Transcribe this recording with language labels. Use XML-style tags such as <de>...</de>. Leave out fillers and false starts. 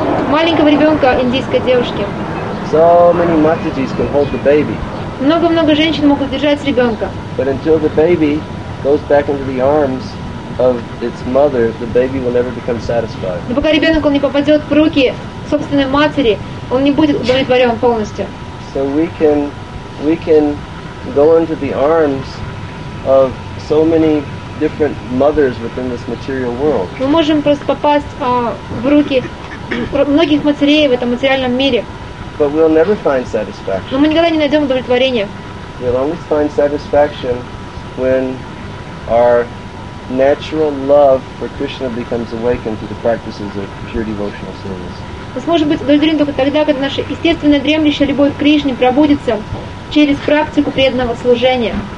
<ru>Маленького ребенка индийской девушки. Много-много женщин могут держать ребенка.</ru> <en>But until the baby goes back into the arms of its mother, the baby will never become satisfied.</en> <ru>Но пока ребенок не попадет в руки собственной матери, он не будет удовлетворен полностью.</ru> <en>So we can go into the arms of so many different mothers within this material world.</en> <ru>Мы можем просто попасть в руки многих матерей в этом материальном мире.</ru> <en>But we'll never find satisfaction.</en> <ru>Но мы никогда не найдем удовлетворения.</ru> <en>We'll only find satisfaction when our natural love for Krishna becomes awakened through the practices of pure devotional service.</en> <ru>Мы сможем быть удовлетворены только тогда, когда наше естественное дремлющее любовь к Кришне пробудится через практику преданного служения.</ru>